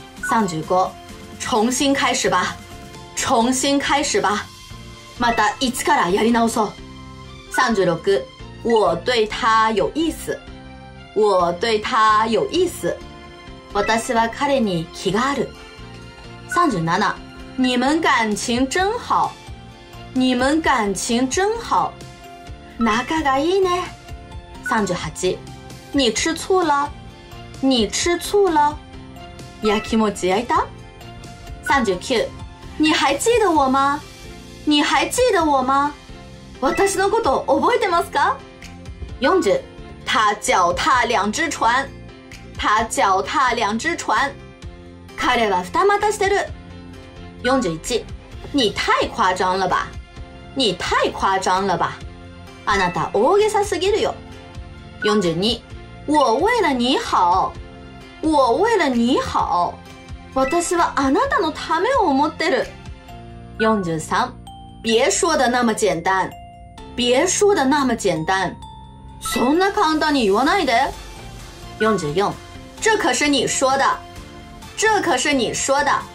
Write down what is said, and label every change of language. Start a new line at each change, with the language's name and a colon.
Chinese: 35、重新开始吧，重新开始吧，
Japanese: また一からやり直そう。
Chinese: 36、我对他有意思，我对他有意思，
Japanese: 私は彼に気がある。
Chinese: 37、你们感情真好，你们感情真好，
Japanese: 仲がいいね。
Chinese: 38、你吃醋了，你吃醋了，
Japanese: 焼きもち焼いた。
Chinese: 39、你还记得我吗？你还记得我吗？
Japanese: 私のこと覚えてますか？
Chinese: 40、他脚踏两只船，他脚踏两只船，
Japanese: 彼は二股してる。
Chinese: 41、你太夸张了吧，你太夸张了吧，
Japanese: あなた大げさすぎるよ。
Chinese: 42、我为了你好，我为了你好，
Japanese: 私はあなたのためを思ってる。
Chinese: 43、别说的那么简单，别说的那么简单，
Japanese: そんな簡単に言わないで。
Chinese: 44、这可是你说的，这可是你说的，